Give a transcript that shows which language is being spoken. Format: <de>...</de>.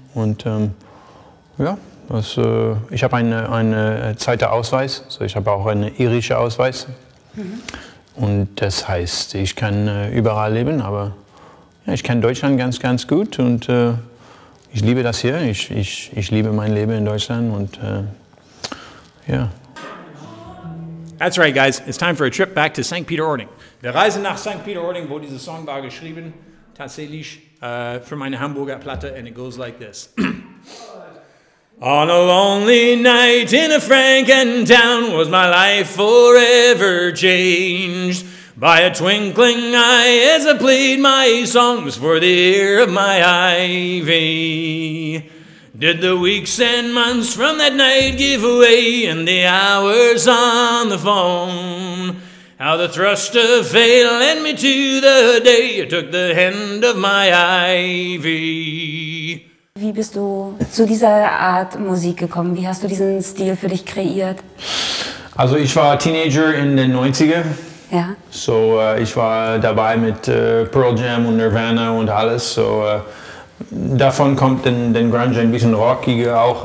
<de>Und ich habe eine zweite Ausweis, so ich habe auch eine irische Ausweis. Mhm. Und das heißt, ich kann überall leben, aber ja, ich kenne Deutschland ganz, ganz gut und ich liebe das hier. Ich liebe mein Leben in Deutschland und ja.</de> <en>That's right, guys. It's time for a trip back to St.</en> <de>Peter-Ording. Wir reisen nach St. Peter-Ording, wo dieser Song war geschrieben, tatsächlich für meine Hamburger Platte,</de> <en>and it goes like this. On a lonely night in a Franken town was my life forever changed by a twinkling eye as I played my songs for the ear of my ivy. Did the weeks and months from that night give away and the hours on the phone? How the thrust of fate led me to the day I took the hand of my ivy.</en> <de>Wie bist du zu dieser Art Musik gekommen? Wie hast du diesen Stil für dich kreiert? Also ich war Teenager in den 90er. Ja. So ich war dabei mit Pearl Jam und Nirvana und alles. So davon kommt den Grunge ein bisschen rockiger auch.</de>